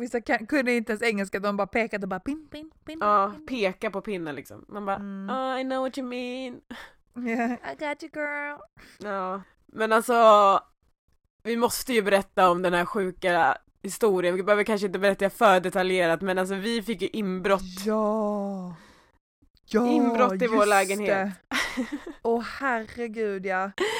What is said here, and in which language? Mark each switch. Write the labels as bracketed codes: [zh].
[sv] Vissa kunde inte ens engelska, de bara pekade och bara pin, pin, pin. Ja, peka på pinnen liksom. Man bara, [en] I know what you mean. Yeah. I got you, girl. [sv] Ja, men alltså, vi måste ju berätta om den här sjuka historien. Vi behöver kanske inte berätta för detaljerat, men alltså vi fick ju inbrott. Ja, inbrott i vår lägenhet. Åh, herregud, ja.